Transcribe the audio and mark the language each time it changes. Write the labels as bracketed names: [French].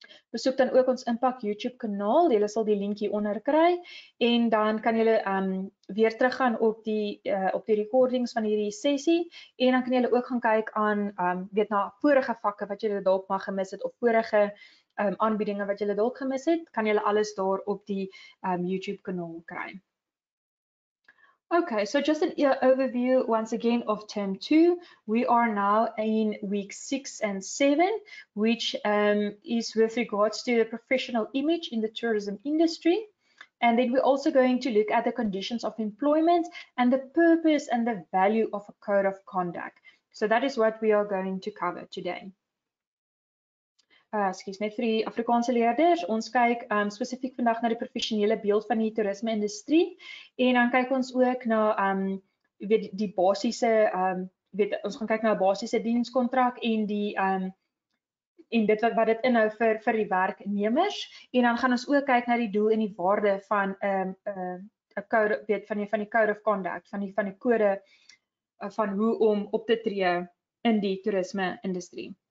[Afrikaans] Besoek dan ook ons Impact YouTube kanaal, jy sal die link hieronder kry en dan kan jy weer teruggaan op die recordings van hierdie sessie en dan kan jy ook gaan kyk aan weet na vorige vakke wat jy dalk maar gemis het of vorige aanbiedinge wat jy dalk gemis het, kan jy alles daar op die YouTube kanaal kry. [English] Okay, so just an overview once again of term two. We are now in week 6 and 7, which is with regards to the professional image in the tourism industry. And then we're also going to look at the conditions of employment and the purpose and the value of a code of conduct. So that is what we are going to cover today. Excuse me, [Afrikaans] vir die Afrikaanse leerders, ons kyk spesifiek vandag na die professionele beeld van die toerisme industrie en dan kyk ons ook na weet die basiese weet ons gaan kyk na 'n basiese dienskontrak en die en dit wat dit inhou vir die werknemers en dan gaan ons ook kyk na die doel en die waarde van 'n code weet van die code of conduct van die kode van hoe om op te tree in die toerisme industrie.